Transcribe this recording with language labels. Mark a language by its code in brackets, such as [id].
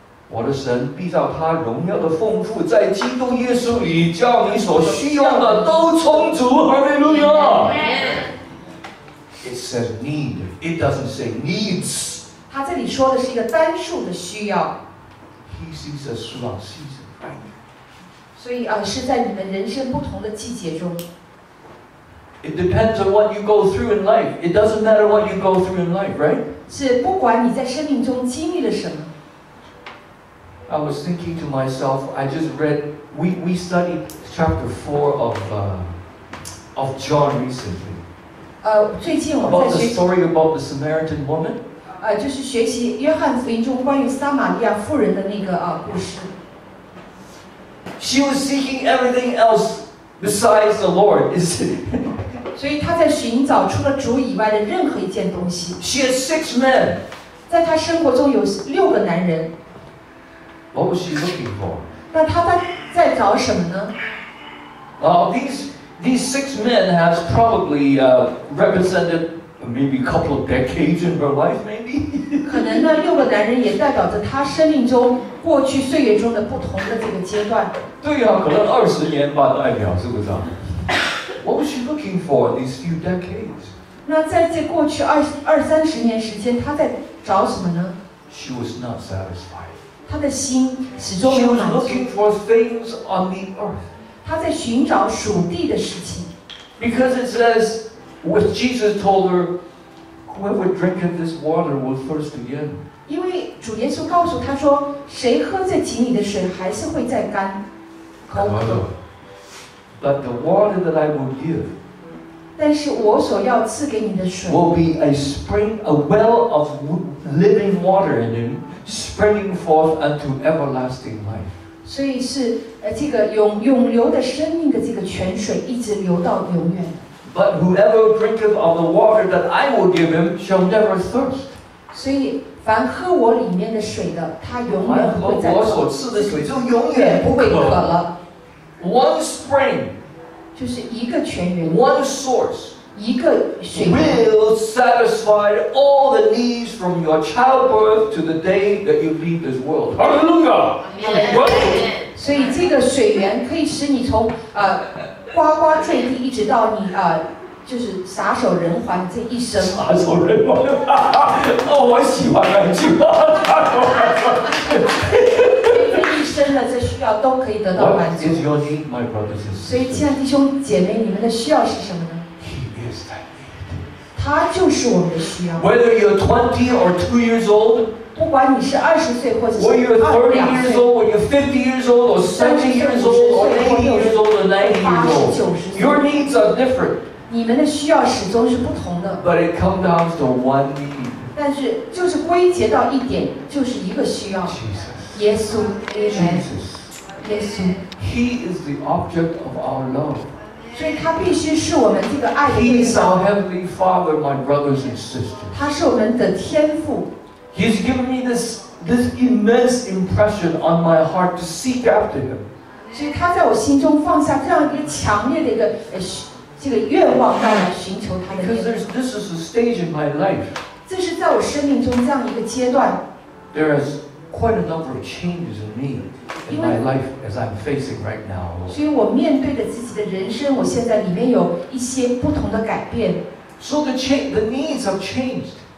[zh] 我的神必照他荣耀的丰富，在基督耶稣里叫你所需要的都充足。 [en] 哈利路亚。It says need. It doesn't say needs. [zh] 他这里说的是一个单数的需要。 [en] He sees us throughout season, right? [zh] 所以是在你们人生不同的季节中。 [en] It depends on what you go through in life. It doesn't matter what you go through in life, right? [zh] 是不管你在生命中经历了什么。 [en] I was thinking to myself. I just read. We studied chapter 4 of John recently. [zh] 最近我们 [en] about the story about the Samaritan woman. [zh] 就是学习约翰福音中关于撒玛利亚妇人的那个故事。 [en] She was seeking everything else besides the Lord. Is it? [zh] 所以她在寻找除了主以外的任何一件东西。 [en] She has 6 men. [zh] 在她生活中有6个男人。 [en] What was she looking for? [zh] 那她在找什么呢？ [en] These 6 men has probably represented maybe a couple of decades in her life, maybe. [zh] 可能呢，六个男人也代表着她生命中过去岁月中的不同的这个阶段。对呀，可能20年吧，代表是不是？ [en] What was she looking for these few decades? [zh] 那在这过去二三十年时间，她在找什么呢？ [en] she was not satisfied. [zh] 她的心始终没有满足。 [en] She was looking for things on the earth. [zh] 她在寻找属地的事情。 [en] Because it says, what Jesus told her, whoever drinketh this water will thirst again. [zh] 因为主耶稣告诉她说，谁喝这井里的水还是会再干。 [en] But the water that I will give, [zh] 但是我所要赐给你的水 [en] will be a spring, a well of living water in him, springing forth unto everlasting life. [zh] 所以是这个永流的生命的这个泉水一直流到永远。 [en] But whoever drinketh of the water that I will give him shall never thirst. [zh] 所以凡喝我里面的水的，他永远不会再渴。我所赐的水就永远不会渴了。 [en] One spring, [zh] 就是一个泉源 [en] one source, [zh] 一个水源 [en] will satisfy all the needs from your childbirth to the day that you leave this world. Hallelujah! Amen. [zh] 所以这个水源可以使你从呱呱坠地一直到你就是撒手人寰这一生。撒手人寰，哦，我喜欢那句话。真的，这需要都可以得到满足。 [en] What is your need, my brothers? [zh] 所以，亲爱的弟兄姐妹，你们的需要是什么呢 [en] ？He is that need. [zh] 他就是我们的需要。 [en] Whether you're 20 or 2 years old, [zh] 不管你是20岁或者 [en] Whether you're 30 years old, or you're 50 years old, or 70 years old, or 80 years old, or 90 years old, your needs are different. [zh] 你们的需要始终是不同的。 [en] But it comes down to one need. [zh] 但是，就是归结到一点，就是一个需要。 [en] Jesus. He is the object of our love. [zh] 所以他必须是我们这个爱的。 [en] He is our heavenly Father, my brothers and sisters. [zh] 他是我们的天父。 [en] He's given me this immense impression on my heart to seek after Him. [zh] 所以他在我心中放下这样一个强烈的一个这个愿望，来寻求他的。 [en] Because this is a stage in my life. [zh] 这是在我生命中这样一个阶段。 [en] There is. Quite a number of changes in me in my life as I'm facing right now. [zh] 所以我面对的自己的人生，我现在里面有一些不同的改变。 [en] So the needs have changed.